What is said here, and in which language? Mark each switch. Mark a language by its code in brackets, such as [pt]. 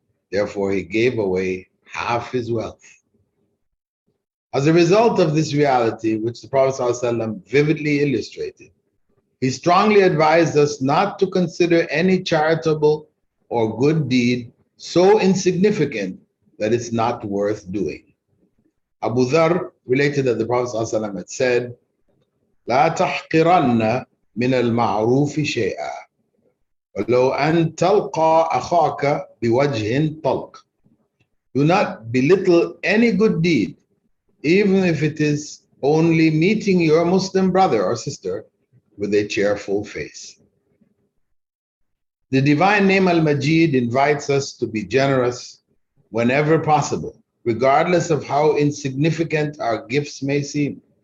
[en] Therefore, he gave away half his wealth. As a result of this reality, which the Prophet ﷺ vividly illustrated, he strongly advised us not to consider any charitable or good deed so insignificant that it's not worth doing. Abu Dharr related that the Prophet ﷺ had said, [ar] لا تحقرن من المعروف شيئا ولو أن تلقى أخاك بوجه طلق. [en] Do not belittle any good deed, even if it is only meeting your Muslim brother or sister with a cheerful face. The divine name Al-Majid invites us to be generous whenever possible, regardless of how insignificant our gifts may seem.